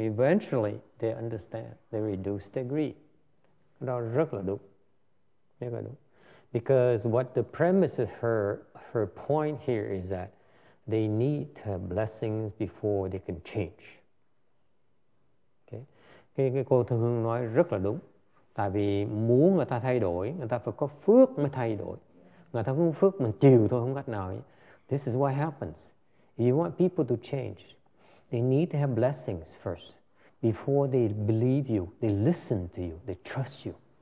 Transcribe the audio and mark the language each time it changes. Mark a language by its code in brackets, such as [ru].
[en] Eventually, they understand. They reduce their greed. [vi] Rất là đúng. [en] Because what the premise of her point here is that they need to have blessings before they can change. Okay? [vi] Cái cô Thương nói rất là đúng. Tại vì muốn người ta thay đổi, người ta phải có phước mới thay đổi. Người ta không có phước, mình chịu thôi, không cách nào. [en] This is what happens. If you want people to change, they need to have blessings first. Before they believe you, they listen to you, they trust you.